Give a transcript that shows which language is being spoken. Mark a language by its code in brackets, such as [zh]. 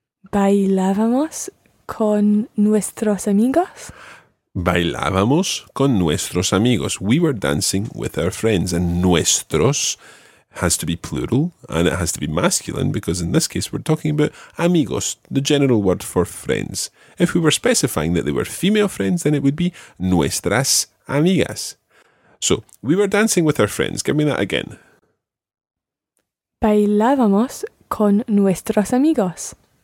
[es] Bailábamos con nuestros amigos. Bailábamos con nuestros amigos. [en] We were dancing with our friends. And nuestros has to be plural and it has to be masculine because in this case we're talking about amigos, the general word for friends. If we were specifying that they were female friends, then it would be [es] nuestras amigas. [en] So, we were dancing with our friends. Give me that again. [es] Bailábamos con nuestros amigos.